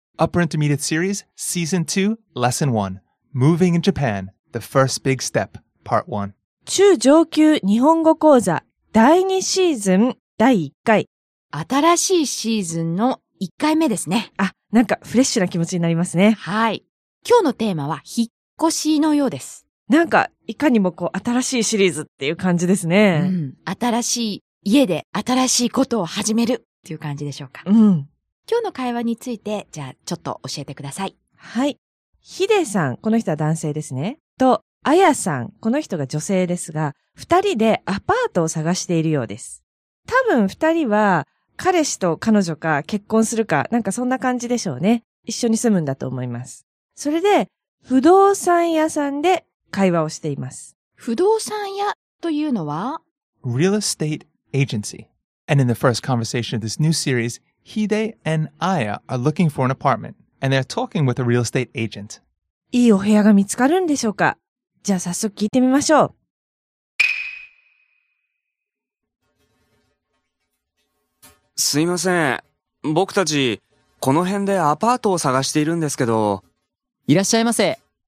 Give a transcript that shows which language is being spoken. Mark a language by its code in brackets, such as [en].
[en] Upper Intermediate Series Season 2 Lesson 1 Moving in Japan The First Big Step Part 1 [ja] 中上級日本語講座第2シーズン第1回、新しいシーズンの1回目ですね。あ、なんかフレッシュな気持ちになりますね。はい、今日のテーマは引っ越しのようです。なんかいかにもこう新しいシリーズっていう感じですね。うん、新しい家で新しいことを始めるっていう感じでしょうか。うん。今日の会話についてじゃあちょっと教えてください。はい、ヒデさん、この人は男性ですね、とアヤさん、この人が女性ですが、二人でアパートを探しているようです。多分二人は彼氏と彼女か結婚するか、なんかそんな感じでしょうね。一緒に住むんだと思います。それで不動産屋さんで会話をしています。不動産屋というのは [en] Real Estate Agency. And in the first conversation of this new series, Hide and Aya are looking for an apartment, and they're talking with a real estate agent. [ja] いいお部屋が見つかるんでしょうか。じゃあ早速聞いてみましょう。すいません。僕たち、この辺でアパートを探しているんですけど。いらっしゃいませ。